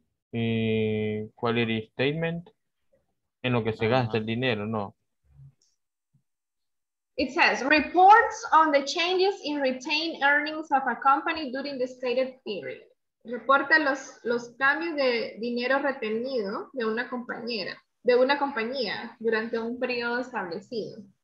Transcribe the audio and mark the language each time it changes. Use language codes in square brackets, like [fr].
[es] Quality statement, en lo que se gasta el dinero, ¿no? [en] It says, reports on the changes in retained earnings of a company during the stated period. [es] Reporta los cambios de dinero retenido de una compañera, de una compañía durante un periodo establecido.